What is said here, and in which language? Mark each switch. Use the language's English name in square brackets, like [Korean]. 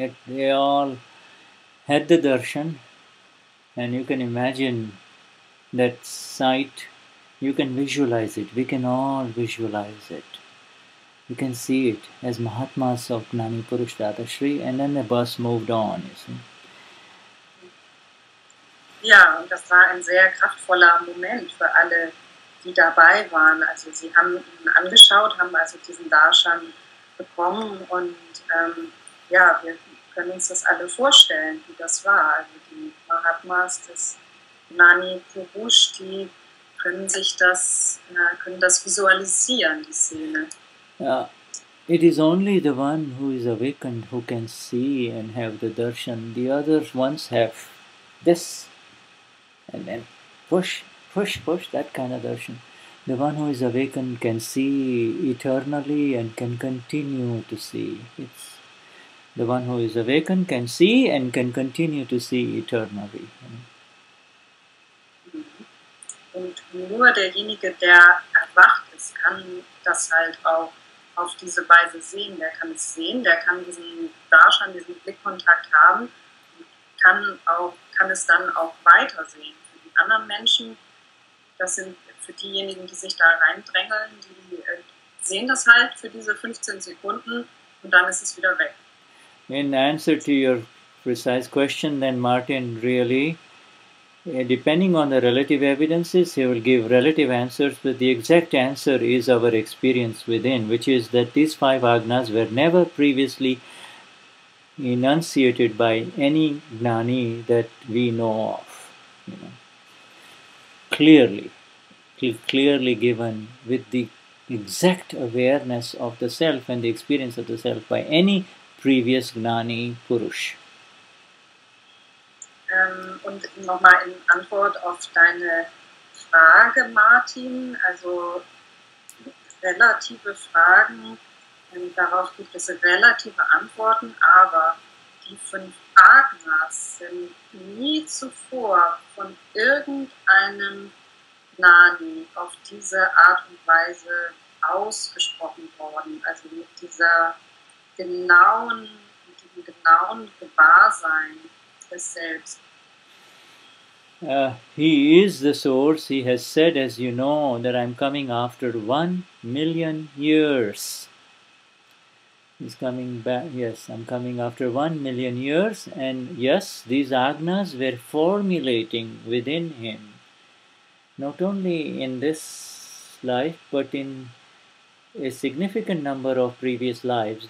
[English] They all had the darshan, and you can imagine that sight. You can visualize it. We can all visualize it. You can see it as Mahatmas of Gnani Purush Dadashri, and then the bus moved on, you see. [German] Ja, und das war ein sehr kraftvoller Moment für alle, die dabei waren. Also sie haben ihn angeschaut, haben also diesen Darshan bekommen und ja, wir können uns das alle vorstellen, wie das war. Also die Mahatmas des Gnani Purush, die können das visualisieren, die Szene. [English] It is only the one who is awakened who can see and have the darshan. The other ones have this and then push, that kind of darshan. The one who is awakened can see eternally and can continue to see. The one who is awakened can see and can continue to see eternally. [German] Und nur derjenige, der erwacht ist, kann das halt auch auf diese Weise sehen, der kann es sehen, der kann diesen Darshan, diesen Blickkontakt haben, kann es dann auch weitersehen. Für die anderen Menschen, das sind für diejenigen, die sich da reindrängeln, die sehen das halt für diese 15 Sekunden und dann ist es wieder weg. [English] In answer to your precise question, then Martin, really, depending on the relative evidences, he will give relative answers, but the exact answer is our experience within, which is that these 5 agnas were never previously enunciated by any gnani that we know of. You know, clearly given with the exact awareness of the self and the experience of the self by any previous gnani purush. [German] Und nochmal in Antwort auf deine Frage, Martin, also relative Fragen, darauf gibt es relative Antworten, aber die 5 Agnas sind nie zuvor von irgendeinem Gnani auf diese Art und Weise ausgesprochen worden, also mit dieser genauen, mit diesem genauen Gewahrsein des Selbst. [English] He is the source. He has said, as you know, that I'm coming after 1,000,000 years. He's coming back. Yes, I'm coming after 1,000,000 years. And yes, these agnas were formulating within him, not only in this life, but in a significant number of previous lives.